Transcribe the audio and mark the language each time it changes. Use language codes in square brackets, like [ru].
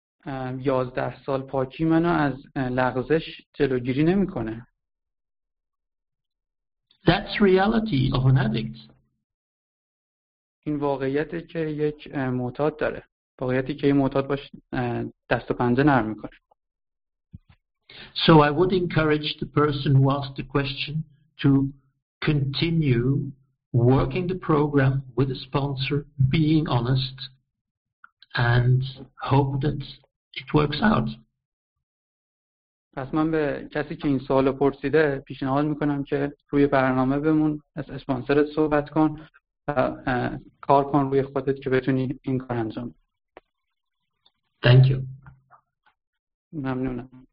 [fa] 11 سال پاکی منو از لغزش جلوگیری نمیکنه. [en] That's reality of an addict. [fa] این واقعیت که یک معتاد داره. واقعیتی که یک معتاد باش دست و پنجه نرم میکنه. [en] So I would encourage the person who asked the question to continue working the program with a sponsor, being honest, and hope that it works out. [fa] پس من به کسی که این سوال پرسیده پیشنهاد میکنم که روی برنامه بمون، از اسپانسرت صحبت کن و کار کن روی خودت که بتونی این کار انجام. [en] Thank you. [fa] ممنونم.